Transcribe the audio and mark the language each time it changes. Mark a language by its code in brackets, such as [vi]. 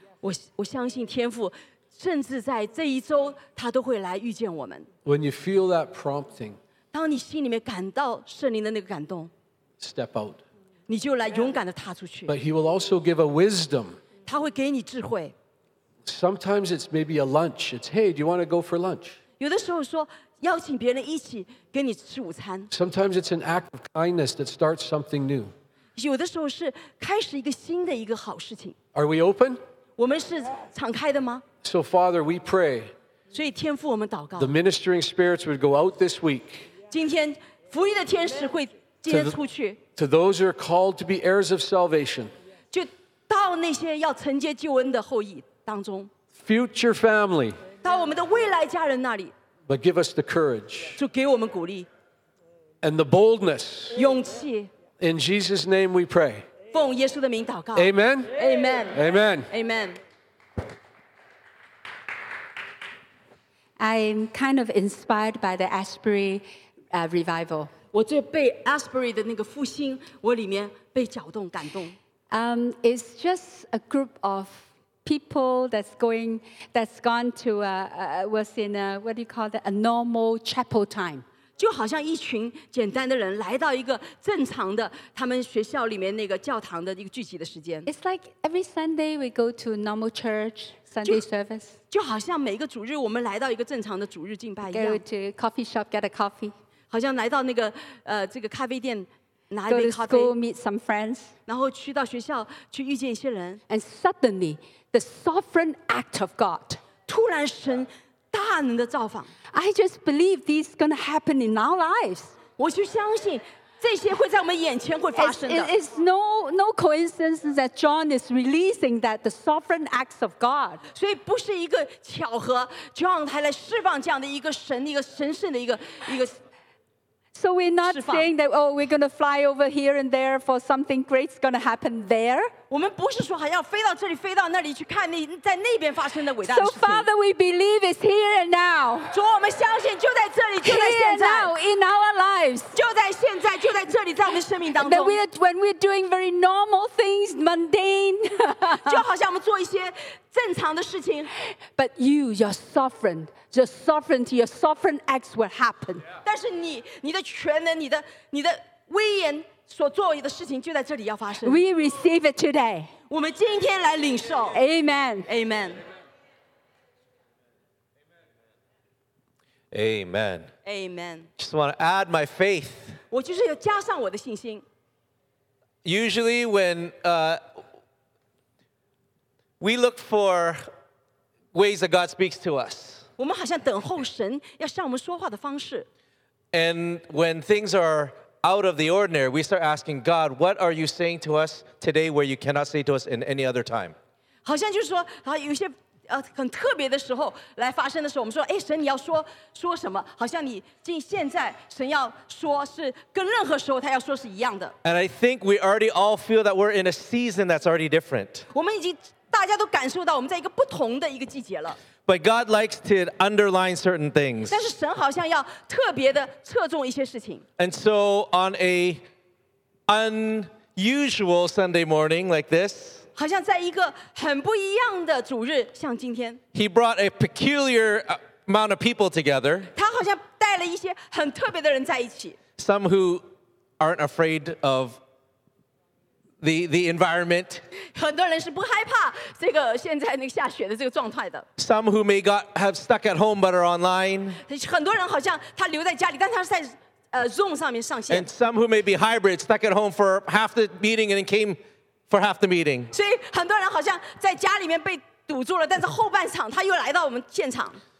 [en] When you feel that prompting, [zh] 当你心里面感到圣灵的那个感动, [en] step out. [zh] 你就来勇敢地踏出去。 [en] But he will also give a wisdom. [zh] 他会给你智慧。 [en] Sometimes it's maybe a lunch. It's, hey, do you want to go for lunch? [zh] 有的时候说, 邀请别人一起给你吃午餐。 [en] Sometimes it's an act of kindness that starts something new. [zh] 有的时候是开始一个新的一个好事情。 [en] Are we open? [zh] 我们是敞开的吗? [en] So Father, we pray. [zh] 所以天父我们祷告。 [en] The ministering spirits would go out this week. [zh] 今天福音的天使会接出去。 [en] To those who are called to be heirs of salvation. [zh] 就到那些要承接救恩的后裔当中。 [en] Future family. [zh] 到我们的未来家人那里。 [en] But give us the courage. [zh] 就给我们鼓励。 [en] And the boldness. [zh] 勇气。 [en] In Jesus' name we pray. [zh] 奉耶稣的名祷告。 [en] Amen. Amen. Amen. Amen. I'm kind of inspired by the Asbury revival. It's just a group of people that's gone to was in a, what do you call that, a normal chapel time. [zh] 就好像一群简单的人来到一个正常的他们学校里面那个教堂的一个聚集的时间。 [en] It's like every Sunday we go to normal church Sunday service. [zh] 就好像每个主日我们来到一个正常的主日敬拜一样。 [en] Go to coffee shop, get a coffee. [zh] 好像来到那个这个咖啡店拿一杯咖啡。 [en] Go to school, meet some friends. [zh] 然后去到学校去遇见一些人。 [en] And suddenly, the sovereign act of God. [zh] 突然神。大能的造访。 [en] I just believe this is going to happen in our lives. [zh] 我就相信这些会在我们眼前会发生的。 [en] It's no coincidence that John is releasing that the sovereign acts of God. [zh] 所以不是一个巧合 ，John 还来释放这样的一个神、一个神圣的一个。 [en] So we're not saying that, oh, we're going to fly over here and there for something great's going to happen there. [zh] 我们不是说还要飞到这里飞到那里去看那在那边发生的伟大的事 [en] 情。So Father, we believe it's here and now. [zh] 主，我们相信就在这里，就在现在。 [en] Here and now in our lives. [zh] 就在现在，就在这里，在我们生命当中。 [en] That when we're doing very normal things, mundane. [zh] 就好像我们做一些正常的事情。 [en] But you, you're sovereign. Your sovereignty, your sovereign acts will happen. [zh] 但是你的全能，你的威严所做的事情就在这里要发生。 [en] We receive it today. [zh] 我们今天来领受。 [en] Amen. Amen. Amen. Amen. Just want to add my faith. [zh] 我就是要加上我的信心。 [en] Usually when we look for ways that God speaks to us. [zh] 我们好像等候神要向我们说话的方式。 [en] And when things are out of the ordinary, we start asking God, "What are you saying to us today, where you cannot say to us in any other time?" [zh] 好像就是说，啊，有些很特别的时候来发生的时候，我们说，哎，神，你要说什么？好像你进现在，神要说是跟任何时候他要说是一样的。 [en] And I think we already all feel that we're in a season that's already different. [zh] 我们已经大家都感受到我们在一个不同的一个季节了。 [en] But God likes to underline certain things. [zh] 但是神好像要特别的侧重一些事情。 [en] And so on a unusual Sunday morning like this, [zh] 好像在一个很不一样的主日，像今天。 [en] He brought a peculiar amount of people together. [zh] 他好像带了一些很特别的人在一起。 [en] Some who aren't afraid of the environment. [zh] 很多人是不害怕这个现在那个下雪的这个状态的。 [en] Some who may got have stuck at home but are online. [zh] 很多人好像他留在家里，但他是在Zoom 上面上线。 [en] And some who may be hybrid, stuck at home for half the meeting and then came for half the meeting. [zh] 所以很多人好像在家里面被堵住了，但是后半场他又来到我们现场。